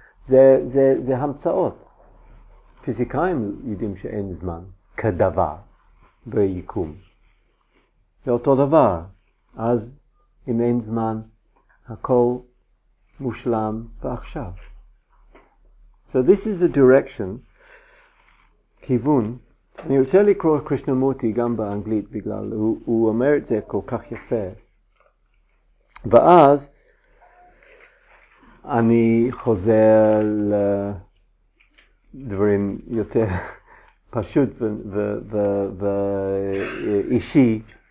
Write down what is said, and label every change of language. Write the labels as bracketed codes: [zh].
[he] זה המצאות. פיזיקאים יודעים שאין זמן כדבר ביקום. זה אותו דבר. אז אם אין זמן, הכל מושלם ועכשיו. [en] So this is the direction, [he] כיוון. אני רוצה לקרוא קרישנמורטי גם באנגלית, בגלל הוא אומר את זה כל כך יפה. ואז אני חוזר לדברים יותר פשוט ואישי.